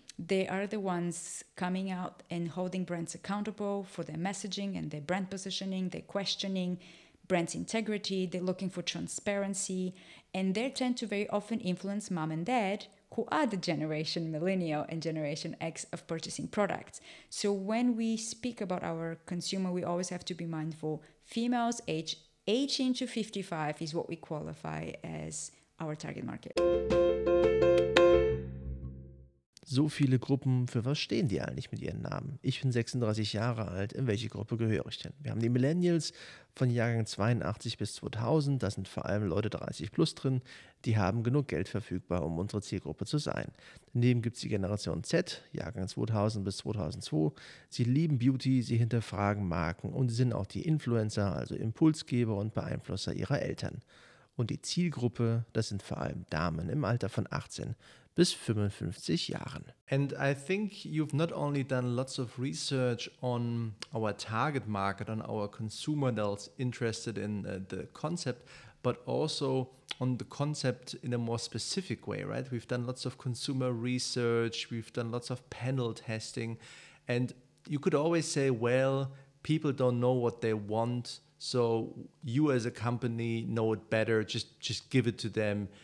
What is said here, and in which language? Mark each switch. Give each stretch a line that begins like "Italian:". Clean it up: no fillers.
English: They are the ones coming out and holding brands accountable for their messaging and their brand positioning, their questioning, brand's integrity, they're looking for transparency, and they tend to very often influence mom and dad, who are the generation millennial and generation X of purchasing products. So when we speak about our consumer, we always have to be mindful, females age 18 to 55 is what we qualify as our target market.
German: So viele Gruppen, für was stehen die eigentlich mit ihren Namen? Ich bin 36 Jahre alt, in welche Gruppe gehöre ich denn? Wir haben die Millennials von Jahrgang 82 bis 2000, da sind vor allem Leute 30 plus drin, die haben genug Geld verfügbar, um unsere Zielgruppe zu sein. Daneben gibt es die Generation Z, Jahrgang 2000 bis 2002. Sie lieben Beauty, sie hinterfragen Marken und sind auch die Influencer, also Impulsgeber und Beeinflusser ihrer Eltern. Und die Zielgruppe, das sind vor allem Damen im Alter von 18 bis 55 Jahren.
English: And I think you've not only done lots of research on our target market, on our consumer that's interested in the concept, but also on the concept in a more specific way, right? We've done lots of consumer research, we've done lots of panel testing, and you could always say, well, people don't know what they want, so you as a company know it better, just give it to them.